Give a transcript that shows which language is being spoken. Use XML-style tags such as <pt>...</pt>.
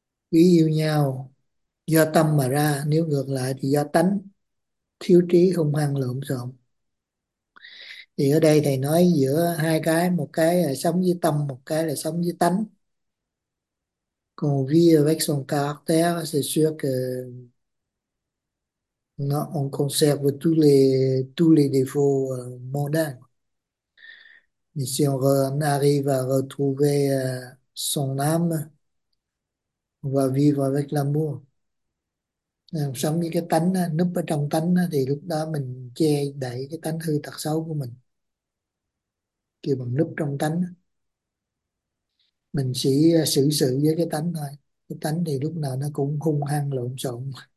<vi>Quý yêu nhau do tâm mà ra, nếu ngược lại thì do tánh. Thiếu trí hung hăng lộn xộn. Thì ở đây thầy nói giữa hai cái, một cái là sống với tâm, một cái là sống với tánh. Còn</vi> <fr>vivre avec son caractère, c'est sûr que</fr> <vi>nó,</vi> <fr>on conserve tous les défauts modernes. Mais si on arrive à retrouver son âme, on va vivre avec l'amour.</fr> <vi>Sống với cái tánh, núp ở trong tánh thì lúc đó mình che đậy cái tánh hư tật xấu của mình. Kêu bằng núp trong tánh. Mình chỉ xử sự với cái tánh thôi. Cái tánh thì lúc nào nó cũng hung hăng lộn xộn.</vi>